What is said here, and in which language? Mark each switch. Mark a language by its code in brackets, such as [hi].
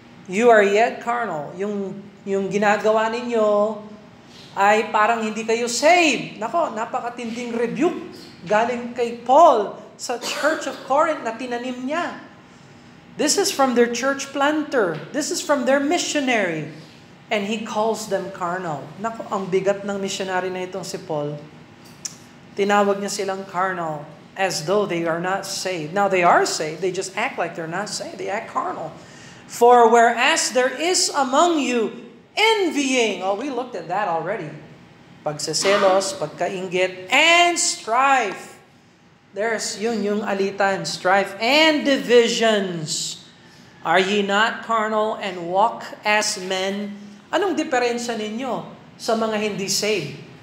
[en] You are yet carnal. [tl] Yung ginagawa ninyo ay parang hindi kayo saved. Nako, napakatinding rebuke galing kay Paul sa Church of Corinth na tinanim niya. [en] This is from their church planter. This is from their missionary. And he calls them carnal. [tl] Naku, ang bigat ng missionary na itong si Paul. Tinawag niya silang carnal [en] as though they are not saved. Now they are saved, they just act like they're not saved. They act carnal. For whereas there is among you envying. Oh, we looked at that already. [tl] Pagseselos, pagkaingit, [en] and strife. There's [tl] yun yung alitan, [en] strife and divisions. Are ye not carnal and walk as men? [tl] Anong diferensya ninyo sa mga hindi saved?